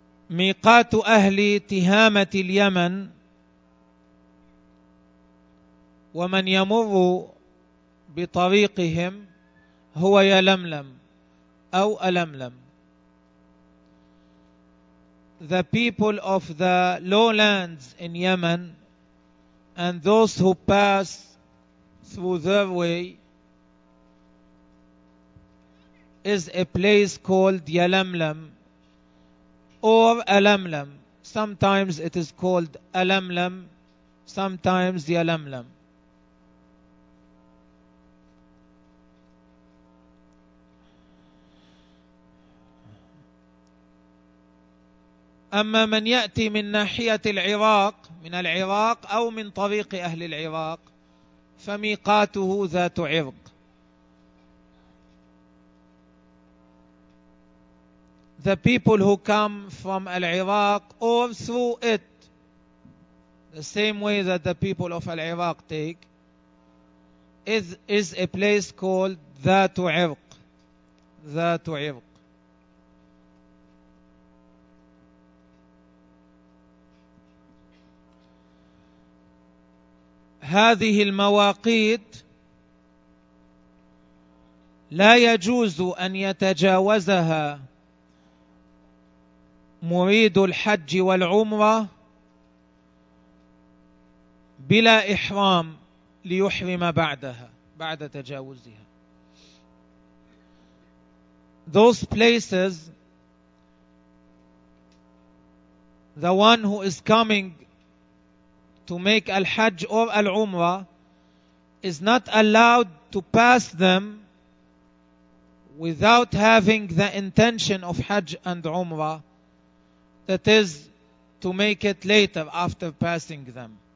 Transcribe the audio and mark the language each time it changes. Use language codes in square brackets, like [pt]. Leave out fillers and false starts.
[ar] ميقات أهل تهامة اليمن ومن يمر بطريقهم هو يلملم أو ألملم. [en] The people of the lowlands in Yemen and those who pass through their way is a place called Yalamlam or Alamlam. Sometimes it is called Alamlam, sometimes Yalamlam. [ar] أما من يأتي من ناحية العراق من العراق أو من طريق أهل العراق فميقاته ذات عرق. [en] The people who come from العراق or through it, the same way that the people of العراق take, is a place called [ar] ذات عرق ذات عرق هذه المواقيت لا يجوز أن يتجاوزها مريد الحج والعمرة بلا إحرام ليحرم بعدها بعد تجاوزها. [en] Those places, the one who is coming to make al-Hajj or al-Umrah is not allowed to pass them without having the intention of Hajj and Umrah, that is to make it later after passing them.